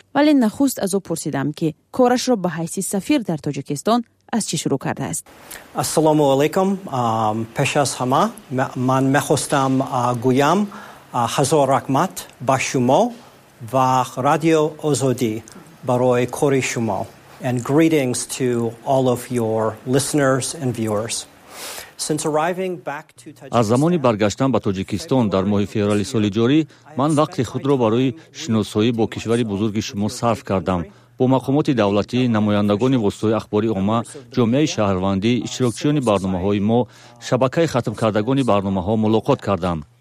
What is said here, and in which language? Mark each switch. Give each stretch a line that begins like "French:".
Persian: ولی نخست از او پرسیدم که کارش را به حیث سفیر در تاجیکستان از چی شروع کرده است. السلام علیکم. پیش از همه من می‌خواستم گویم هزار رحمت با شما و رادیو آزادی برای کار شما.
English: And greetings to all of your listeners and viewers. Since arriving back to Tajikistan,
Persian: از زمانی برگشتم به تاجیکستان در ماه فوریه سال جاری، من وقت خود را برای شناسایی با کشور بزرگ شما صرف کردم. با مقامات دولتی، نمایندگان واسطه اخباری عامه، جامعه شهروندی، اشتراکچیان برنامه‌های ما، شبکه ختم کردگان برنامه‌ها ملاقات کردم.